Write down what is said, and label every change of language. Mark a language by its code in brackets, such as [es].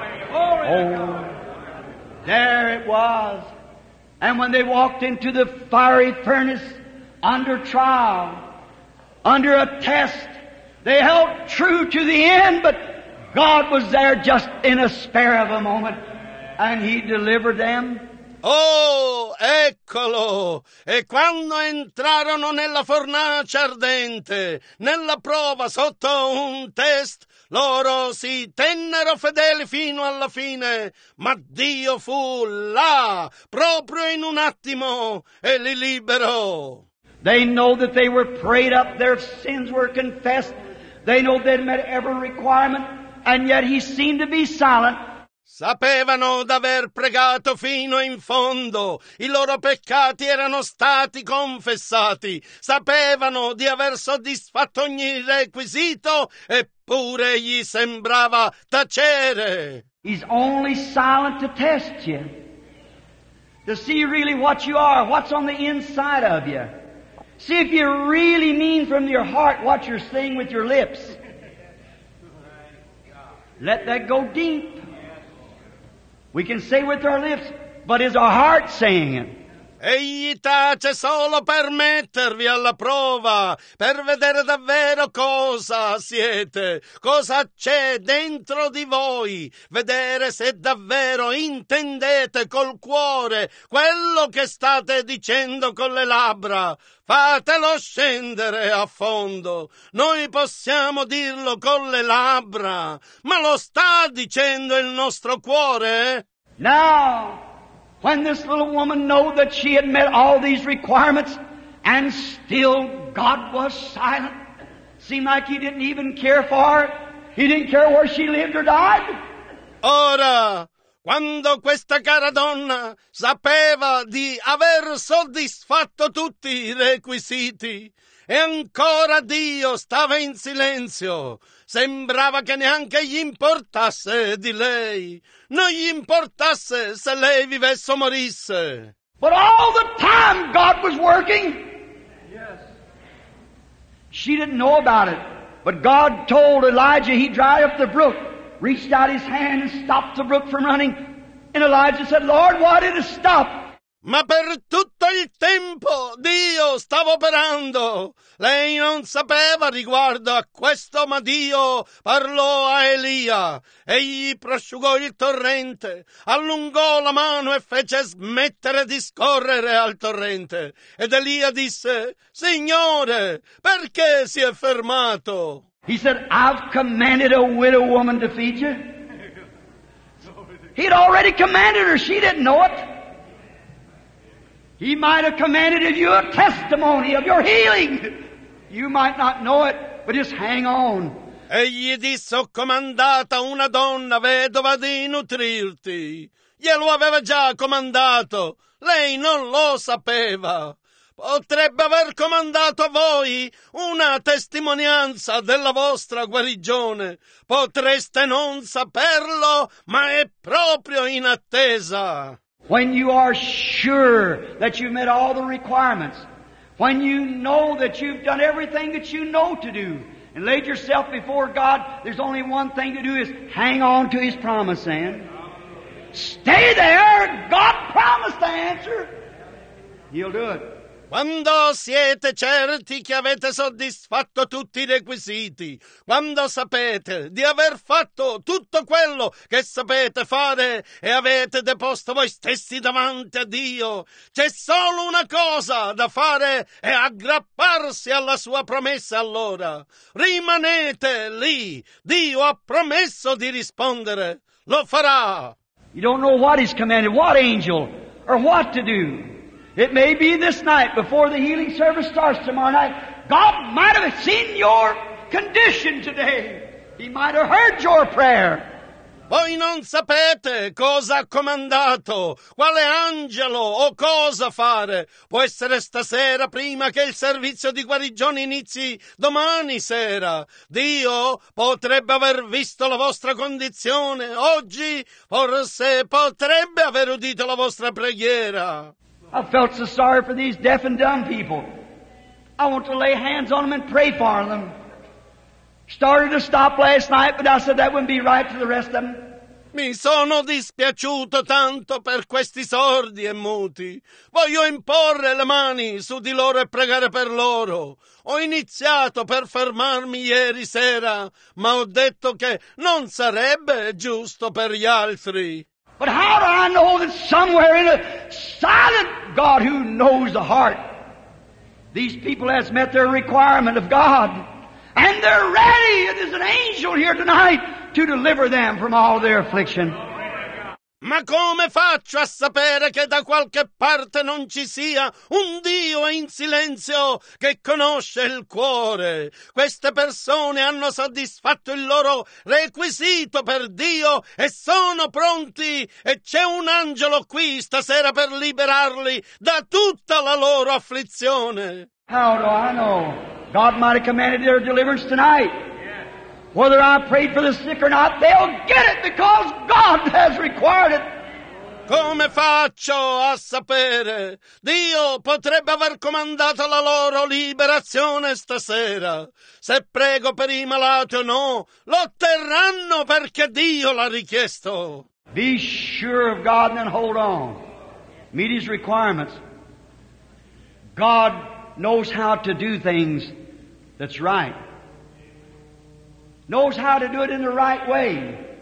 [en] Oh, there it was. And when they walked into the fiery furnace under trial, under a test, they held true to the end, but God was there just in a spare of a moment, and He delivered them. [it] Oh, eccolo! E quando entrarono nella fornace ardente, nella prova sotto un test, loro si tennero fedeli fino alla fine, ma Dio fu là, proprio in un attimo, e li liberò. [en] They know that they were prayed up, their sins were confessed. They know they'd met every requirement, and yet he seemed to be silent. [it] Sapevano d'aver pregato fino in fondo. I loro peccati erano stati confessati. Sapevano di aver soddisfatto ogni requisito, eppure gli sembrava tacere. [en] He's only silent to test you, to see really what you are, what's on the inside of you. See if you really mean from your heart what you're saying with your lips. Let that go deep. We can say with our lips, but is our heart saying it? [it] Egli tace solo per mettervi alla prova, per vedere davvero cosa siete, cosa c'è dentro di voi, vedere se davvero intendete col cuore quello che state dicendo con le labbra. Fatelo scendere a fondo. Noi possiamo dirlo con le labbra, ma lo sta dicendo il nostro cuore? No! [en] When this little woman knew that she had met all these requirements, and still God was silent, seemed like He didn't even care for her. He didn't care where she lived or died. [it] Ora, quando questa cara donna sapeva di aver soddisfatto tutti i requisiti, e ancora Dio stava in silenzio, sembrava che neanche gli importasse di lei. Non gli importasse se lei vivesse o morisse. [en] But all the time God was working. Yes. She didn't know about it. But God told Elijah, he dried up the brook, reached out his hand and stopped the brook from running. And Elijah said, Lord, why did it stop? [it] Ma per tutto il tempo Dio stava operando. Lei non sapeva riguardo a questo, ma Dio parlò a Elia. Egli prosciugò il torrente, allungò la mano e fece smettere di scorrere al torrente. Ed Elia disse, Signore, perché si è fermato? [en] He said, I've commanded a widow woman to feed you. He'd already commanded her, she didn't know it. He might have commanded of you a testimony of your healing. You might not know it, but just hang on. [it] Egli disse, ho comandata una donna vedova di nutrirti. Glielo aveva già comandato. Lei non lo sapeva. Potrebbe aver comandato a voi una testimonianza della vostra guarigione. Potreste non saperlo, ma è proprio in attesa. [en] When you are sure that you've met all the requirements, when you know that you've done everything that you know to do, and laid yourself before God, there's only one thing to do is hang on to His promise and stay there. God promised the answer. He'll do it. [it] Quando siete certi che avete soddisfatto tutti i requisiti, quando sapete di aver fatto tutto quello che sapete fare e avete deposto voi stessi davanti a Dio, c'è solo una cosa da fare e aggrapparsi alla sua promessa allora. Rimanete lì. Dio ha promesso di rispondere. Lo farà. [en] You don't know what He's commanded, what angel, or what to do. It may be this night, before the healing service starts tomorrow night, God might have seen your condition today. He might have heard your prayer. [it] Voi non sapete cosa ha comandato, quale angelo o cosa fare. Può essere stasera prima che il servizio di guarigione inizi domani sera. Dio potrebbe aver visto la vostra condizione. Oggi forse potrebbe aver udito la vostra preghiera. [en] I felt so sorry for these deaf and dumb people. I want to lay hands on them and pray for them. Started to stop last night, but I said that wouldn't be right to the rest of them. [it] Mi sono dispiaciuto tanto per questi sordi e muti. Voglio imporre le mani su di loro e pregare per loro. Ho iniziato per fermarmi ieri sera, ma ho detto che non sarebbe giusto per gli altri. [en] But how do I know that somewhere in a silent God who knows the heart, these people has met their requirement of God, and they're ready, and there's an angel here tonight to deliver them from all their affliction. [it] Ma come faccio a sapere che da qualche parte non ci sia un Dio in silenzio che conosce il cuore? Queste persone hanno soddisfatto il loro requisito per Dio e sono pronti e c'è un angelo qui stasera per liberarli da tutta la loro afflizione. [en] How do I know? God might have commanded their deliverance tonight. Whether I prayed for the sick or not, they'll get it because God has required it. [it] Come faccio a sapere? Dio potrebbe aver comandato la loro liberazione stasera. Se prego per i malati o no, lo otterranno perché Dio l'ha richiesto. [en] Be sure of God and hold on. Meet His requirements. God knows how to do things that's right. Knows how to do it in the right way.